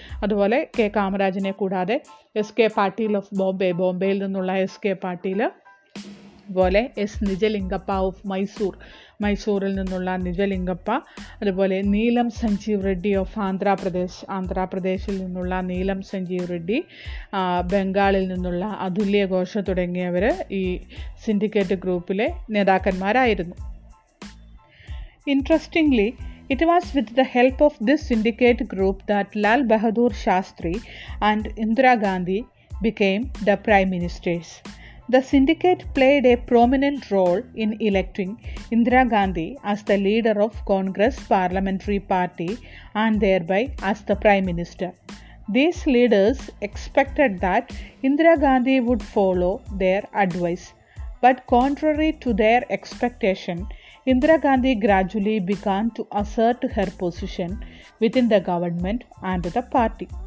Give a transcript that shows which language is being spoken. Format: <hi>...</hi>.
<ml>അതുപോലെ കെ കാമരാജിനെ കൂടാതെ S K Patil of Bombay, ബോംബെയിൽ നിന്നുള്ള എസ് കെ പാട്ടീൽ, അതുപോലെ എസ് നിജലിംഗപ്പ ഓഫ് മൈസൂർ, മൈസൂരിൽ നിന്നുള്ള നിജലിംഗപ്പ, അതുപോലെ നീലം സഞ്ജീവ് റെഡ്ഡി ഓഫ് ആന്ധ്രാപ്രദേശ്, ആന്ധ്രാപ്രദേശിൽ നിന്നുള്ള നീലം സഞ്ജീവ് റെഡ്ഡി, ബംഗാളിൽ നിന്നുള്ള അതുല്യ ഘോഷ തുടങ്ങിയവർ ഈ സിൻഡിക്കേറ്റ് ഗ്രൂപ്പിലെ നേതാക്കന്മാരായിരുന്നു.</ml> <en>Interestingly, it was with the help of this syndicate group that Lal Bahadur Shastri and Indira Gandhi became the prime ministers. The syndicate played a prominent role in electing Indira Gandhi as the leader of Congress Parliamentary Party and thereby as the prime minister. These leaders expected that Indira Gandhi would follow their advice, but contrary to their expectation, Indira Gandhi gradually began to assert her position within the government and the party.</en>